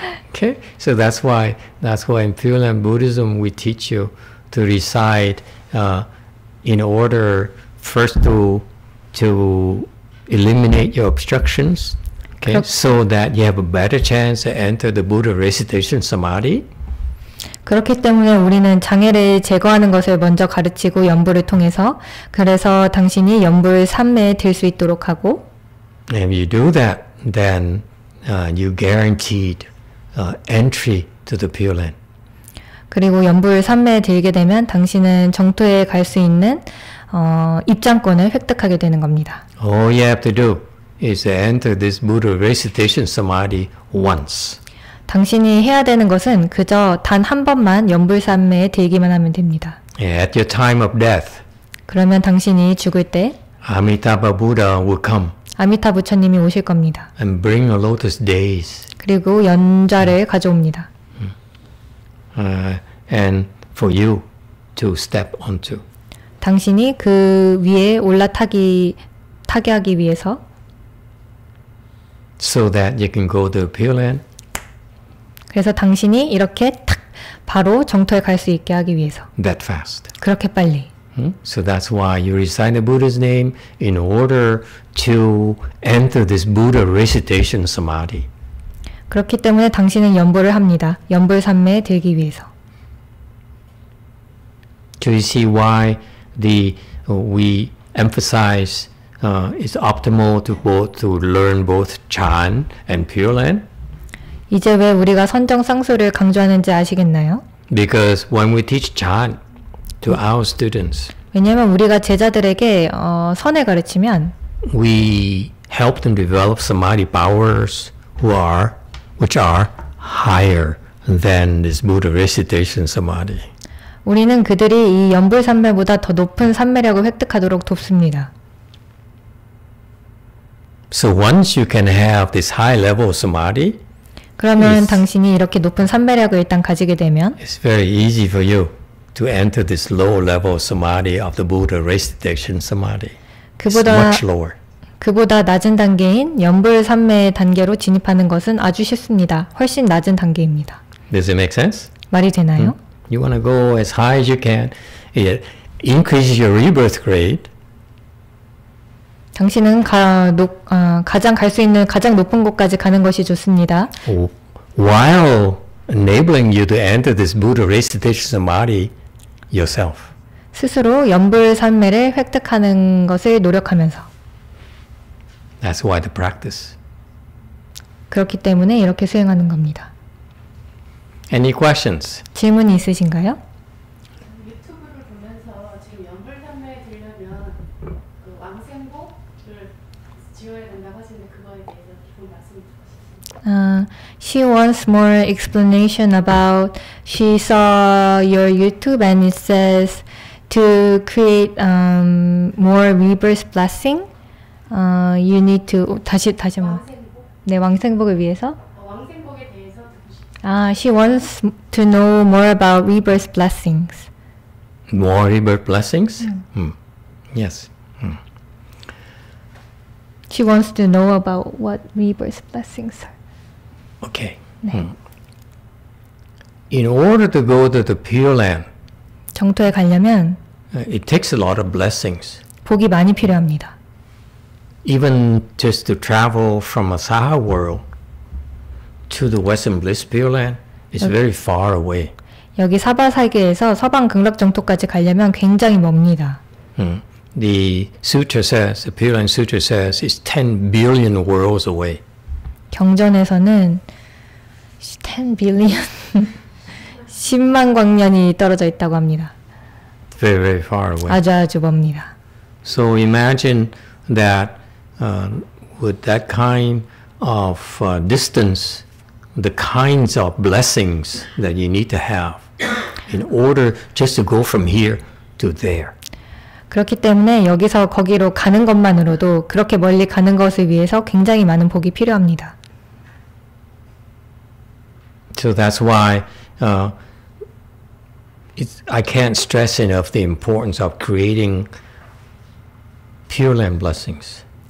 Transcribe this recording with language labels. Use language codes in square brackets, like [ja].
[en] Okay, so that's why in Pure Land Buddhism we teach you to recite in order first to eliminate your obstructions, okay, so that you have a better chance to enter the Buddha recitation samadhi. [ko] 그렇기 때문에 우리는 장애를 제거하는 것을 먼저 가르치고 연불을 통해서 그래서 당신이 연불 3매에 들 수 있도록 하고 [en] If you do that, then you guaranteed entry to the Pure Land. [ko] 그리고 연불 3매에 들게 되면 당신은 정토에 갈 수 있는 입장권을 획득하게 되는 겁니다. [en] All you have to do is enter this Buddha recitation samadhi once. [ko] 당신이 해야 되는 것은 그저 단 한 번만 연불삼매에 들기만 하면 됩니다. [en] At your time of death. [ko] 그러면 당신이 죽을 때 [en] 아미타바 부다 will come. [ko] 아미타 부처님이 오실 겁니다. [en] And bring a lotus days. [ko] 그리고 연좌를 가져옵니다. [en] And for you to step onto. [ko] 당신이 그 위에 타게 하기 위해서 [en] so that you can go to Pure Land. [ko] 그래서 당신이 이렇게 탁 바로 정토에 갈 수 있게 하기 위해서 [en] That fast. [ko] 그렇게 빨리 [en] So that's why you recite the Buddha's name in order to enter this Buddha recitation samadhi. [ko] 그렇기 때문에 당신은 연불을 합니다. 연불삼매에 들기 위해서 [en] Do you see why we emphasize it's optimal to learn both Chan and Pure Land? [ko] 이제 왜 우리가 선정 쌍수를 강조하는지 아시겠나요? [en] Because when we teach Chan to our students, [ko] 왜냐하면 우리가 제자들에게 선을 가르치면, [en] we help them develop samadhi powers which are higher than this Buddha recitation samadhi. [ko] 우리는 그들이 이 연불 삼매보다 더 높은 삼매력을 획득하도록 돕습니다. [en] So once you can have this high level of samadhi. [ko] 그러면 당신이 이렇게 높은 삼매력을 일단 가지게 되면 [en] It's very easy for you to enter this low level samadhi of the Buddha recitation samadhi. [ko] 그보다 [en] It's much lower. [ko] 그보다 낮은 단계인 연불 삼매의 단계로 진입하는 것은 아주 쉽습니다. 훨씬 낮은 단계입니다. [en] Does it make sense? [ko] 말이 되나요? [en] You want to go as high as you can. It increases your rebirth grade. [ko] 당신은 가장 갈 수 있는 가장 높은 곳까지 가는 것이 좋습니다. [en] While enabling you to enter this Buddha recitation samadhi yourself. [ko] 스스로 연불 삼매를 획득하는 것을 노력하면서. [en] That's why the practice. [ko] 그렇기 때문에 이렇게 수행하는 겁니다. [en] Any questions? [ko] 질문이 있으신가요? 유튜브를 보면서 지금 연불삼매 들려면 그 왕생복을 지어야 된다고 하시는데 그거에 대해서 조금 말씀해 주시겠어요? [en] She wants more explanation about she saw your YouTube and it says to create more rebirth blessing. You need to [ko] 다시 한번. 네, 왕생복을 위해서. 왕생복에 대해서 [en] She wants to know more about rebirth blessings. More rebirth blessings? Yes. She wants to know about what rebirth blessings are. Okay. 네. In order to go to the Pure Land, [ko] 정토에 가려면 [en] it takes a lot of blessings. [ko] 복이 많이 필요합니다. [en] Even just to travel from a Saha world to the Western Bliss Pure Land is very far away. [ko] 여기 사바 세계에서 서방 극락 정토까지 가려면 굉장히 멉니다. [en] The sutra says, the Pure Land sutra says, it's 10 billion worlds away. [ko] 경전에서는 10 billion 10만 광년이 떨어져 있다고 합니다. [en] Very, very far away. [ko] 아주 아주 멉니다. [en] So imagine that with that kind of distance, the kinds of blessings that you need to have in order just to go from here to there. [ko] 그렇기 때문에 여기서 거기로 가는 것만으로도 그렇게 멀리 가는 것을 위해서 굉장히 많은 복이 필요합니다. [en] So that's why I can't stress enough the importance of creating Pure Land blessings.